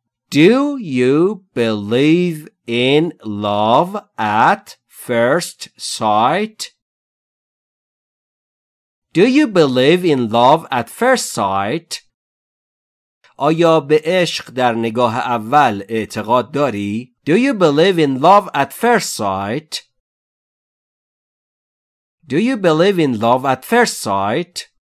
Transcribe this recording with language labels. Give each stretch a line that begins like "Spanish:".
English: Do you believe in love at first sight? Do you believe in love at first sight?
Persian: آیا به عشق در نگاه اول اعتقاد داری؟
English: Do you believe in love at first sight? Do you believe in love at first sight?